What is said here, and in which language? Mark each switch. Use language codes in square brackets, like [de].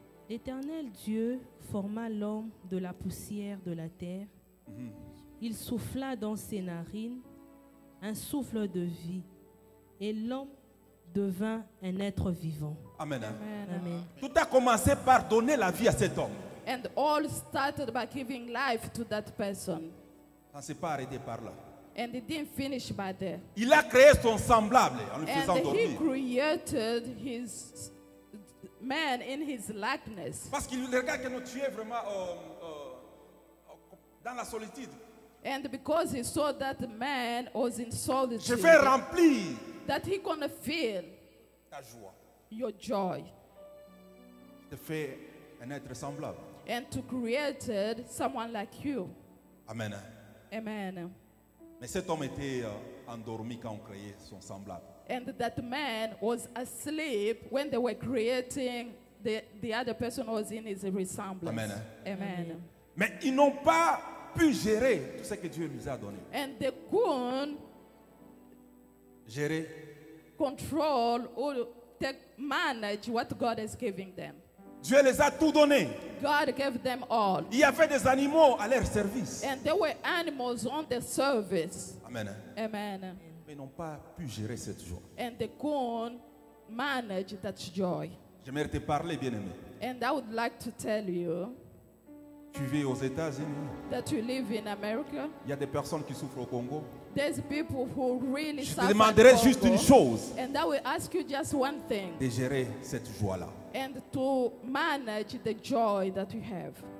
[fr] L'Éternel Dieu forma l'homme de la poussière de la terre. Mm-hmm. Il souffla dans ses narines un souffle de vie et l'homme devint un être vivant. Amen. Amen. Amen. Tout a commencé par donner la vie à cet homme. [en] And all started by giving life to that person. [fr] Ça ne s'est pas arrêté par là. [en] And it didn't finish by there. [fr] Il a créé son semblable en le faisant dormir. [en] And he created his man in his likeness. [fr] Parce qu'il regarde que nous tuer vraiment dans la solitude. [en] And because he saw that man was in solitude, [fr] je vais remplir [en] that he gonna feel [fr] ta joie, [en] your joy. [fr] Je te fais un être semblable. [en] And to create someone like you. Amen. Amen. [fr] Mais cet homme était endormi quand on créait son semblable. [en] And that man was asleep when they were creating the other person was in his resemblance. Amen. Amen. Amen. [fr] Mais ils n'ont pas pu gérer tout ce que Dieu nous a donné. [en] And they couldn't [fr] gérer, [en] control or take, manage what God is giving them. [fr] Dieu les a tout donné. [en] God gave them all. [fr] Il y avait des animaux à leur service. [en] And there were animals on their service. Amen. Amen. [fr] Mais n'ont pas pu gérer cette joie. [en] And they couldn't manage that joy. [fr] J'aimerais te parler, bien-aimé. [en] And I would like to tell you. [fr] Tu vis aux États-Unis. [en] That you live in America. [fr] Il y a des personnes qui souffrent au Congo. [en] There's people who really suffer. [fr] Je te demanderai juste une chose. [en] And I will ask you just one thing. [fr] De gérer cette joie-là. [en] And to manage the joy that you have.